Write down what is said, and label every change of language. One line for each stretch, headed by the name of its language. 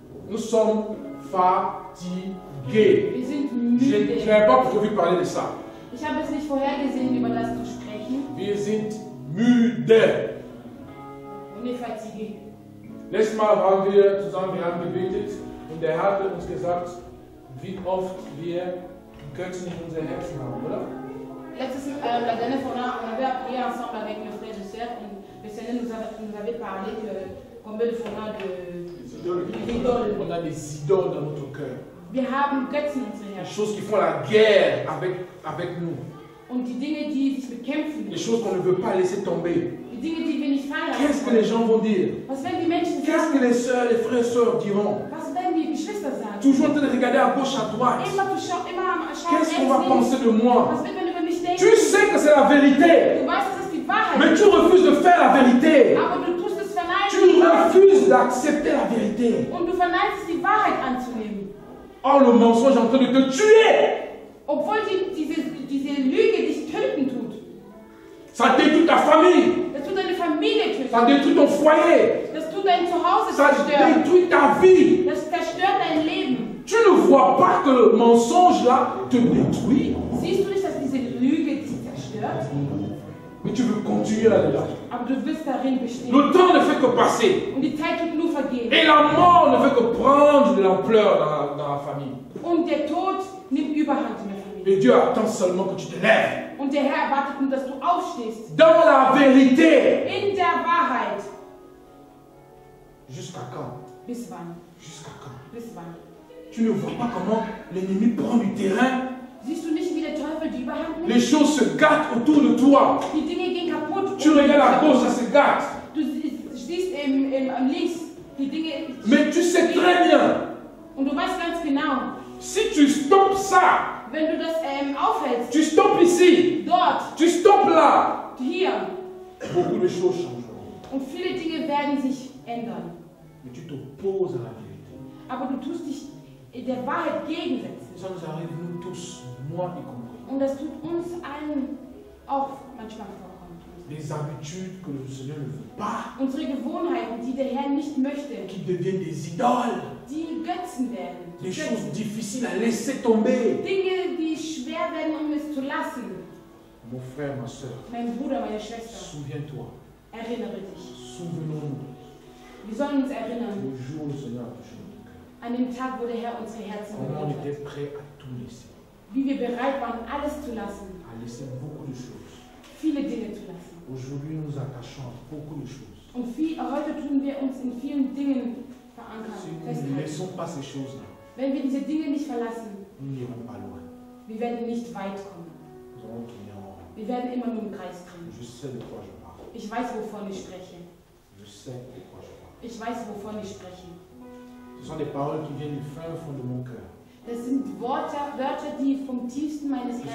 French: Nous sommes fatigués. Je n'avais pas prévu de parler de ça.
German: Ich habe es nicht vorhergesehen, über das zu sprechen. Wir sind müde.
French: On est fatigué.
German: Letztes Mal waren wir zusammen, wir haben gebetet und der Herr hat uns gesagt, wie oft wir Götzen in unser Herzen haben, oder? Letztes Mal,
French: la dernière fois, on avait appris ensemble avec mes frères et sœurs
German: und
French: le Seigneur nous avait parlé de combien de fois de on a des idoles dans notre cœur.
German: Wir haben Götzen in unserem Herzen.
French: Des choses qui font la guerre avec nous.
German: Und die Dinge, die sich bekämpfen.
French: Des choses qu'on ne veut pas laisser tomber.
German: Die Dinge, die wir nicht feiern.
French: Qu'est-ce que les gens vont dire?
German: Was werden die Menschen sagen?
French: Qu'est-ce que les sœurs, les frères et sœurs diront?
German: Was werden die Geschwister sagen?
French: Toujours en train de regarder à gauche, à droite.
German: Immer zu schauen, immer am Schauen.
French: Qu'est-ce qu'on va penser de moi?
German: Was wird man über mich denken?
French: Tu sais que c'est la vérité.
German: Du weißt, es ist die Wahrheit.
French: Mais tu refuses de faire la vérité.
German: Aber du tust es verneinen.
French: Tu refuses d'accepter la vérité.
German: Und du verneinst die Wahrheit anzunehmen.
French: Oh, le mensonge est en train de te tuer!
German: Obwohl diese Lüge dich töten tut.
French: Ça détruit ta famille.
German: Das tut deine Familie töten.
French: Ça détruit ton foyer.
German: Das tut dein Zuhause zerstören.
French: Ça détruit ta vie.
German: Das zerstört dein Leben.
French: Tu ne vois pas que le mensonge là te détruit?
German: Siehst du nicht, dass diese Lüge dich zerstört?
French: Mais tu veux continuer là-dedans.
German: Aber du willst darin bestehen.
French: Le temps ne fait que passer.
German: Und die Zeit tut nur vergehen.
French: Et la mort ne fait que prendre de l'ampleur dans la famille.
German: Und der Tod nimmt überhand in der Familie.
French: Et Dieu attend seulement que tu te lèves.
German: Und der Herr erwartet nur, dass du aufstehst.
French: Dans la vérité.
German: In der Wahrheit.
French: Jusqu'à quand?
German: Bis wann?
French: Jusqu'à quand?
German: Bis wann?
French: Tu ne vois pas comment l'ennemi prend du terrain?
German: Siehst du nicht, wie der Teufel die Überhand nimmt?
French: Les choses se gâtent autour de toi.
German: Die Dinge gehen kaputt.
French: Tu regardes à gauche, ça se gâte.
German: Du siehst im links die Dinge.
French: Mais tu sais très bien.
German: Und du weißt ganz genau.
French: Si tu stoppes ça.
German: Wenn du das aufhältst.
French: Tu stoppes ici.
German: Dort.
French: Tu stoppes là.
German: Hier.
French: Beaucoup de choses changeront.
German: Und viele Dinge werden sich ändern.
French: Mais tu t'opposes à la vérité.
German: Aber du tust dich der Wahrheit gegensetzen.
French: Ça nous arrive nous tous, moi y compris.
German: Und das tut uns allen auch manchmal vorkommen.
French: Des habitudes que le Seigneur ne veut pas.
German: Unsere Gewohnheiten, die der Herr nicht möchte.
French: Qui deviennent des idoles.
German: Die Götzen werden.
French: Des choses difficiles à laisser tomber.
German: Dinge, die schwer werden, um es zu lassen.
French: Mon frère, ma soeur.
German: Mein Bruder, meine Schwester.
French: Souviens-toi.
German: Erinnere dich.
French: Souvenons-nous.
German: Wir sollen uns erinnern.
French: Le jour, Seigneur.
German: An dem Tag, wo der Herr unsere Herzen geöffnet hat. Wie wir bereit waren, alles zu lassen.
French: À laisser beaucoup de choses.
German: Viele Dinge zu lassen.
French: Aujourd'hui, nous attachons à beaucoup de choses.
German: Und heute tun wir uns in vielen Dingen verankern.
French: Si nous ne laissons pas ces choses là,
German: wenn wir diese Dinge nicht verlassen,
French: nous n'irons pas loin.
German: Wir werden nicht weit kommen.
French: Nous allons tourner en rond.
German: Wir werden immer nur im Kreis drehen.
French: Je sais de quoi je parle.
German: Ich weiß, wovon ich spreche.
French: Je sais de quoi je parle.
German: Ich weiß, wovon ich spreche.
French: Ce sont des paroles qui viennent du fin fond de mon cœur.
German: Das sind Wörter, die vom tiefsten meines Herzens.